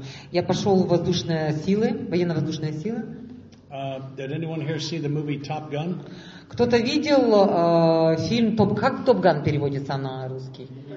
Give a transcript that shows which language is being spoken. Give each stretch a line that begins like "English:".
Russian: Я пошел в воздушные силы, военно-воздушные силы.
English: Did anyone here see the movie Top Gun?
Russian: Кто-то видел фильм Top Gun? Как Top Gun переводится на русский?